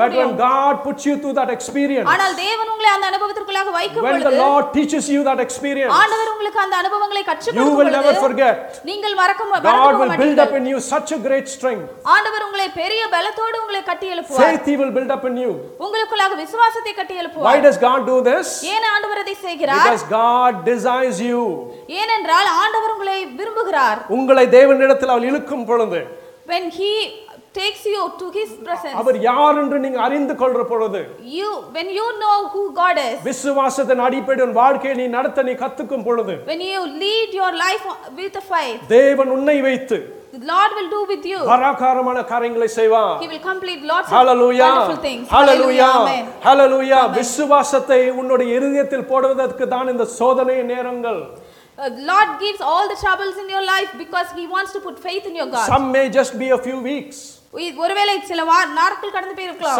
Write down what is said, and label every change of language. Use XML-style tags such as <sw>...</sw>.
<en>But when God puts you through that experience.</en> <ta>ஆனால் தேவன் உங்களை அந்த அனுபவத்திற்குள்ளாக வைக்கும் பொழுது.</ta> <en>When the Lord teaches you that experience.</en> <ta>ஆண்டவர் உங்களுக்கு அந்த அனுபவங்களை கற்றுக் கொடுக்கும் பொழுது.</ta> <en>You will never forget.</en> <ta>நீங்கள் மறக்க மாட்டீர்கள்.</ta> <en>God will build up in you such a great strength.</en> <ta>ஆண்டவர் உங்களை பெரிய பலத்தோடு உங்களை கட்டி எழுப்புவார்.</ta> <en>Faith will build up in you.</en> <ta>உங்களுக்குள்ளாக விசுவாசத்தை கட்டி எழுப்புவார்.</ta> <en>Why does God do this?</en> <ta>ஏன் ஆண்டவர் இதை செய்கிறார்?</ta> <en>Because God desires you.</en> <ta>ஏனென்றால் ஆண்டவர் உங்களை விரும்புகிறார். உங்களை தேவனிடத்தில் அவர் இழுக்கும் பொழுது.</ta> <en>When he takes you to his presence.</en> <ta>அவர் யார் என்று நீங்க அறிந்து கொள்ற பொழுது.</ta> <en>You when you know who God is.</en> <ta>விசுவாசத்தின் அடிப்படையில் வாழ்க்கையை நீ நடத்த நீ கத்துக்கும் பொழுது.</ta> <en>When you lead your life with the faith.</en> <ta>தேவன் உன்னை வைத்து</ta> <en>The Lord will do with you.</en> <ta>பரகாரமான காரியங்களை செய்வார்.</ta> <en>He will complete lots Hallelujah. of wonderful things. Hallelujah. Hallelujah. Hallelujah.</en> <ta>விசுவாசத்தை உன்னுடைய இதயத்தில் போடுவதற்கு தான் இந்த சோதனை நேரங்கள்.</ta> <en>Lord gives all the troubles in your life because he wants to put faith in your God. Some may just be a few weeks.</en> <ta>ஒருவேளை சில நாட்கள் கடந்து போயிருக்கலாம்.</ta>